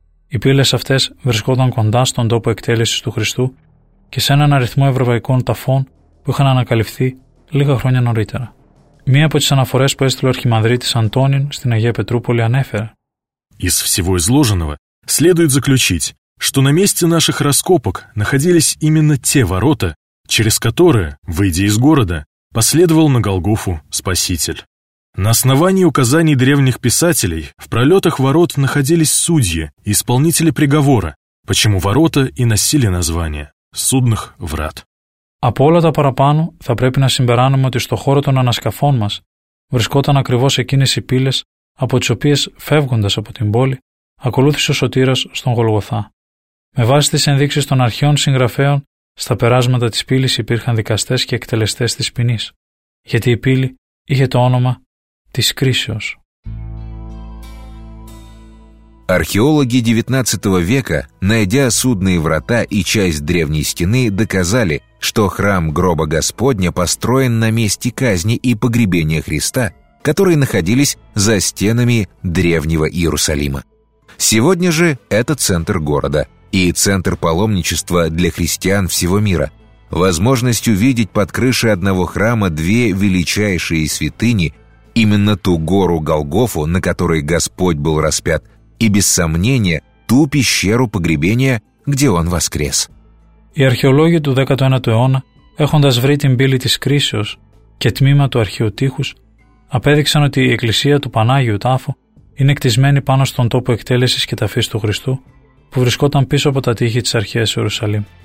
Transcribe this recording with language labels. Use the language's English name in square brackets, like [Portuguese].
[Greek] Οι πύλες αυτές βρισκόταν κοντά στον τόπο εκτέλεσης του Χριστού και σε έναν αριθμό ευρωπαϊκών ταφών που είχαν ανακαλυφθεί λίγα χρόνια νωρίτερα. Μία από τις αναφορές που έστειλε ο αρχιμανδρίτης Αντώνιν στην Αγία Πετρούπολη ανέφερε. [Russian] Из всего изложенного следует заключить, что на месте наших раскопок находились именно те ворота, через которое, выйдя из города, последовал на Голгофу Спаситель. На основании указаний древних писателей в пролетах ворот находились судьи и исполнители приговора, почему ворота и носили название «судных врат». [Greek] Από όλα τα παραπάνω θα πρέπει να συμπεράνουμε ότι στο χώρο των ανασκαφών μας βρισκόταν ακριβώς εκείνες οι πύλες από τις οποίες φεύγοντας από την πόλη ακολούθησε ο Σωτήρας στον Γολγοθά. Με βάση τις ενδείξεις των αρχαίων συγγραφέων, στα περάσματα της πύλης υπήρχαν δικαστές και εκτελεστές της ποινής, γιατί η πύλη είχε το όνομα της Κρίσεως. [Russian] Археологи XIX века, найдя судные врата и часть древней стены, доказали, что храм гроба Господня построен на месте казни и погребения Христа, которые находились за стенами древнего Иерусалима. Сегодня же это центр города и центр паломничества для христиан всего мира. Возможность увидеть под крышей одного храма две величайшие святыни, именно ту гору Голгофу, на которой Господь был распят, и без сомнения ту пещеру погребения, где он воскрес. [Greek] Οι αρχαιολόγοι του 19ου αιώνα, έχοντας βρει την πύλη της Κρίσεως και τμήμα του αρχαίου τείχους, απέδειξαν ότι η εκκλησία του Πανάγιου Τάφου είναι κτισμένη πάνω στον τόπο εκτέλεσης και ταφής του Χριστού, που βρισκόταν πίσω από τα τείχη της αρχαίας Ιερουσαλήμ.